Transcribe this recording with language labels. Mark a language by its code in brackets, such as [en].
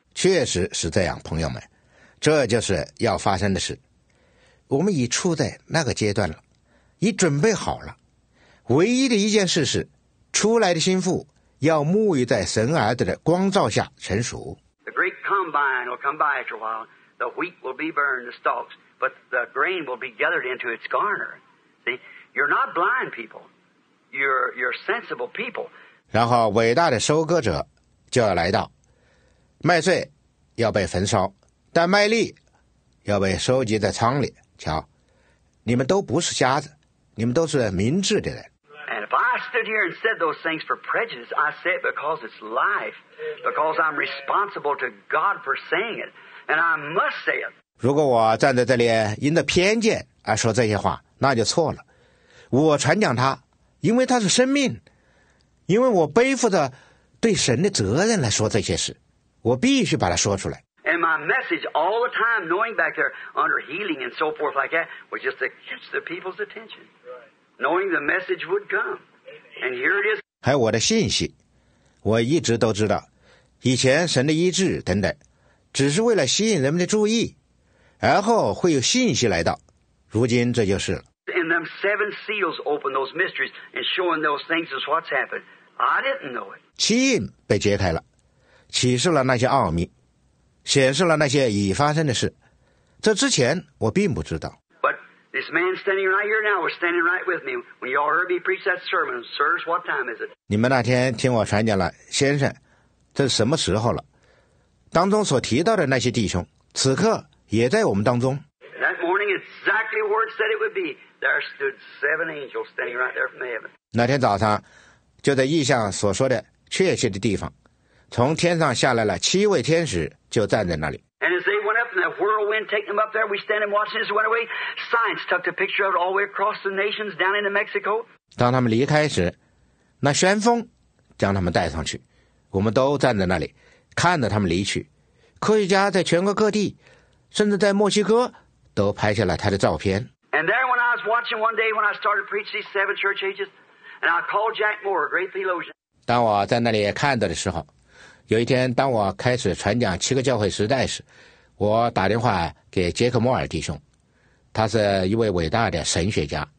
[zh] 确实是这样，朋友们，这就是要发生的事。我们已处在那个阶段了。已准备好了，唯一的一件事是，出来的心腹要沐浴在神儿子的光照下成熟。 [en] The great combine will come by after a while. The wheat will be burned, the stalks. but the grain will be gathered into its garner. See, you're not blind people. You're sensible people. [zh] 然后伟大的收割者就要来到，麦穗要被焚烧，但麦粒要被收集在仓里。瞧，你们都不是瞎子，你们都是明智的人。 [en] And if I stood here and said those things for prejudice, I say it because it's life, because I'm responsible to God for saying it, and I must say it. [zh] 如果我站在这里因着偏见而说这些话，那就错了。我传讲它，因为它是生命，因为我背负着对神的责任来说这些事，我必须把它说出来。 [en] And my message all the time, knowing back there under healing and so forth like that, was just to catch the people's attention. Knowing the message would come. And here it is. [zh] 还有我的信息，我一直都知道，以前神的医治等等，只是为了吸引人们的注意，然后会有信息来到，如今这就是了。 [en] And them seven seals open those mysteries and showing those things is what's happened. I didn't know it. [zh] 七印被揭开了，启示了那些奥秘，显示了那些已发生的事，这之前我并不知道。 [en] But this man standing right here now was standing right with me when you all heard me preach that sermon. Sirs, what time is it? [zh] 你们那天听我传讲了，先生，这是什么时候了？当中所提到的那些弟兄，此刻也在我们当中。 [en] That morning, exactly where it said it would be, there stood seven angels standing right there from heaven. [zh] 那天早上，就在异象所说的确切的地方。从天上下来了七位天使，就站在那里。 [en] And as they went up, and the whirlwind took them up there, we stand and watched as they went away. Science took a picture of it all the way across the nations down into Mexico. [zh] 当他们离开时，那旋风将他们带上去，我们都站在那里，看着他们离去。科学家在全国各地，甚至在墨西哥，都拍下了他的照片。 [en] And there, when I was watching one day when I started preaching these seven church ages, and I called Jack Moore, a great theologian. [zh] 当我在那里看到的时候。有一天当我开始传讲七个教会时代时，我打电话给杰克莫尔弟兄，他是一位伟大的神学家。